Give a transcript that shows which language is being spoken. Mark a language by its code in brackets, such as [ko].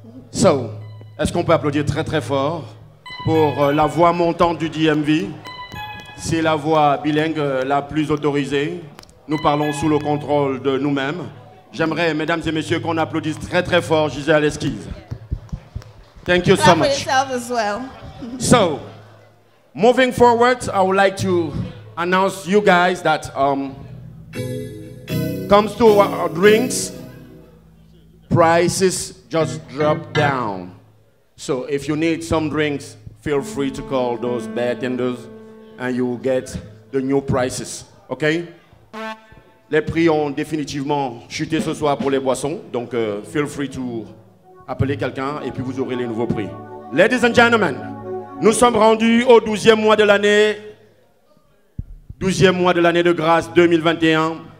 [fr] So, est-ce qu'on peut applaudir très très fort pour la voix montante du DMV? C'est la voix bilingue la plus autorisée. Nous parlons sous le contrôle de nous-mêmes. J'aimerais, mesdames et messieurs, qu'on applaudisse très très fort Gisèle Esquize. [en] Thank you so much. Clap for yourself as well. So, moving forward, I would like to announce you guys that comes to our drinks, prices just drop down. So if you need some drinks, feel free to call those bartenders and you will get the new prices, okay? [fr] Les prix ont définitivement chuté ce soir pour les boissons, donc [en] feel free to [fr] appeler quelqu'un et puis vous aurez les nouveaux prix. [en] Ladies and gentlemen, [fr] nous sommes rendus au 12e mois de l'année, 12e mois de l'année de grâce 2021.